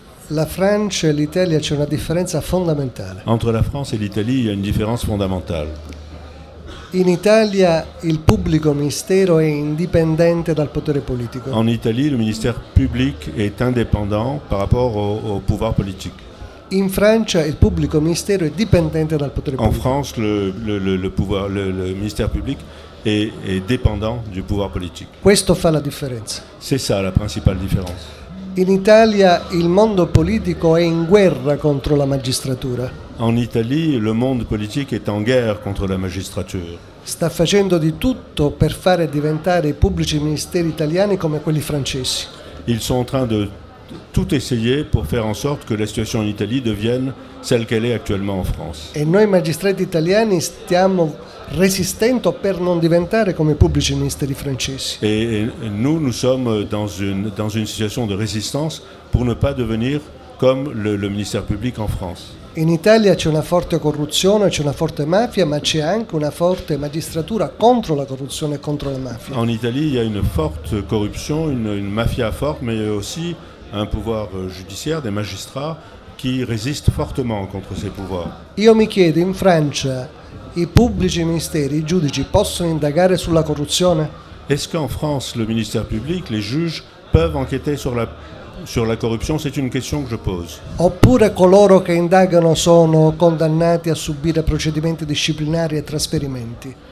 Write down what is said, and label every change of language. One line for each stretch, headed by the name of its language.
French: La France et l'Italie, c'est une différence fondamentale. Entre la France et l'Italie, il y a une différence fondamentale.
Italian: In Italia il pubblico ministero è indipendente dal potere politico.
French: En Italie, le ministère public est indépendant par rapport au, au pouvoir politique.
Italian: In Francia il pubblico ministero è dipendente dal potere pubblico.
French: En France, le ministère public est dépendant du pouvoir politique.
Italian: Questo fa la differenza.
French: C'est ça la principale différence.
Italian: In Italia il mondo politico è in guerra contro la magistratura.
French: En Italie, le monde politique est en guerre contre la magistrature.
Italian: Sta facendo di tutto per fare diventare i pubblici ministeri italiani come quelli francesi.
French: Ils sont en train de tout essayer pour faire en sorte que la situation en Italie devienne celle qu'elle est actuellement en France.
Italian: E noi magistrati italiani stiamo resistendo per non diventare come i pubblici ministeri francesi.
French: Et nous, nous sommes dans une situation de résistance pour ne pas devenir comme le ministère public en France.
Italian: In Italia c'è una forte corruzione, c'è una forte mafia, ma c'è anche una forte magistratura contro la corruzione e contro la mafia.
French: En Italie, il y a une forte corruption, une mafia forte, mais aussi un pouvoir judiciaire, des magistrats qui résistent fortement contre ces pouvoirs.
Italian: Io mi chiedo, in Francia, i pubblici ministeri, i giudici possono indagare sulla corruzione?
French: Est-ce qu'en France, le ministère public, les juges peuvent enquêter sur la corruption? C'est une question que je pose.
Italian: Oppure coloro che indagano sono condannati a subire procedimenti disciplinari e trasferimenti?